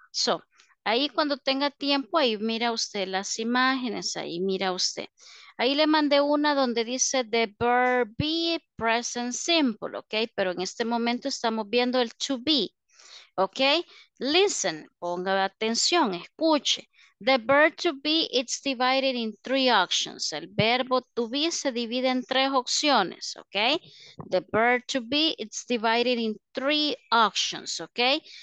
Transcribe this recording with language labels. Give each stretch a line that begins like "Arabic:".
Spanish: So, ahí cuando tenga tiempo, ahí mira usted las imágenes, ahí mira usted. Ahí le mandé una donde dice
English: the verb be present simple,
Spanish: ¿ok? Pero en este momento estamos viendo el to be, ¿ok? Listen, ponga atención, escuche.
English: The verb to be, it's divided in three options.
Spanish: El verbo to be se divide en tres opciones, ¿ok?
English: The verb to be, it's divided in three options, ¿ok?